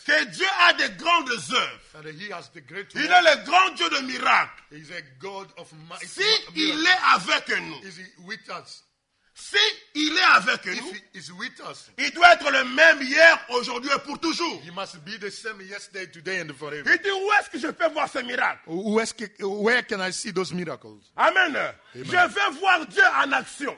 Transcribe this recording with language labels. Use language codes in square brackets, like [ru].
[fr] que Dieu a de grandes œuvres, [en] and he has the great work, [fr] il est le grand Dieu de miracles, [en] he is a God of mighty, [fr] si il est avec nous, [en] is he with us? [fr] Si il est avec [en] if [fr] nous, [en] he is with us, [fr] il doit être le même hier, aujourd'hui et pour toujours. [en] He must be the same yesterday, today and forever. [fr] Il dit, où est-ce que je peux voir ces miracles? Où est-ce que, [en] where can I see those miracles? Amen. Amen. [fr] Je veux voir Dieu en action.